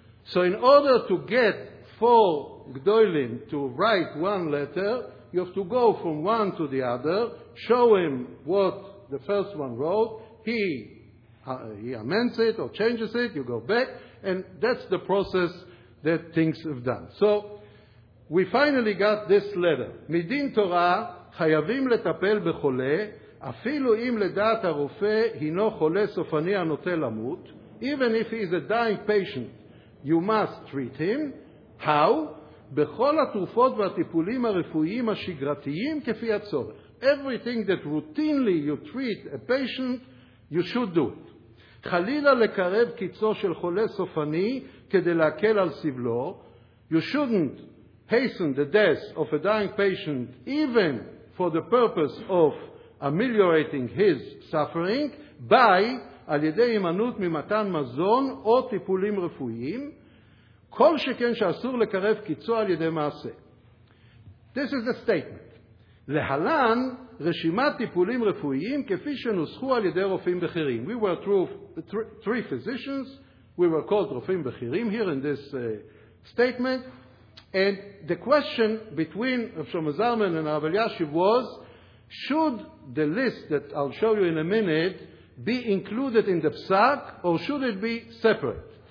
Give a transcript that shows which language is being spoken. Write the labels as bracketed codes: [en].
[en] So in order to get 4 gedolim to write 1 letter, you have to go from one to the other, show him what the first one wrote, he amends it or changes it, you go back, and that's the process that things have done. So We finally got this letter. [he] מדין תורה חייבים לטפל בחולה, אפילו אם לדעת הרופא הינו חולה סופני הנוטה למות, [en] even if he is a dying patient, you must treat him. How? [he] בכל התרופות והטיפולים הרפואיים השגרתיים כפי הצורך. [en] Everything that routinely you treat a patient, you should do it. [he] חלילה לקרב קיצו של חולה סופני כדי להקל על סבלו, [en] you shouldn't hasten the death of a dying patient even for the purpose of ameliorating his suffering by [he] על ידי הימנעות ממתן מזון או טיפולים רפואיים, כל שכן שאסור לקרב קיצו על ידי מעשה. [en] This is a statement. [he] להלן רשימת טיפולים רפואיים כפי שנוסחו על ידי רופאים בכירים. [en] We were three physicians. We were called [he] רופאים בכירים [en] here in this statement. And the question between Shlomo Zalman and Rav Eliashiv was, should the list that I'll show you in a minute be included in the psak or should it be separate?